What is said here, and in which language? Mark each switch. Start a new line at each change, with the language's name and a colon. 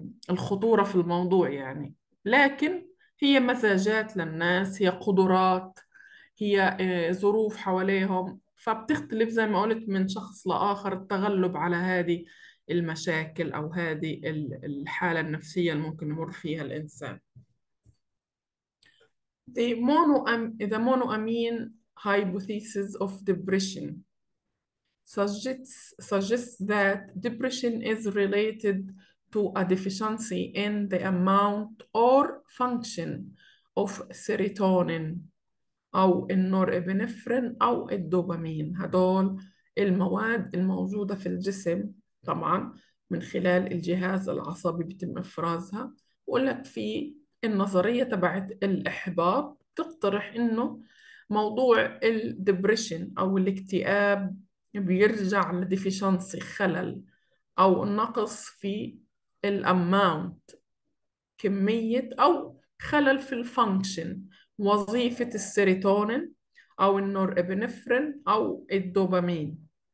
Arabic: الخطورة في الموضوع يعني، لكن هي مزاجات للناس، هي قدرات، هي ظروف حواليهم، فبتختلف زي ما قلت من شخص لآخر التغلب على هذه المشاكل أو هذه الحالة النفسية اللي ممكن يمر فيها الإنسان.
English: The the monoamine hypothesis of depression suggests that depression is related to a deficiency in the amount or function of serotonin
Arabic: أو النورإبينفرين أو الدوبامين، هدول المواد الموجودة في الجسم طبعا من خلال الجهاز العصبي بتم إفرازها. بقول لك في النظرية تبعت الإحباط تقترح إنه موضوع الدبريشن أو الاكتئاب بيرجع لديفيشنسي، خلل أو نقص في الأماونت، كمية، أو خلل في الفانكشن، وظيفة السيروتونين أو النور إبنفرين أو الدوبامين.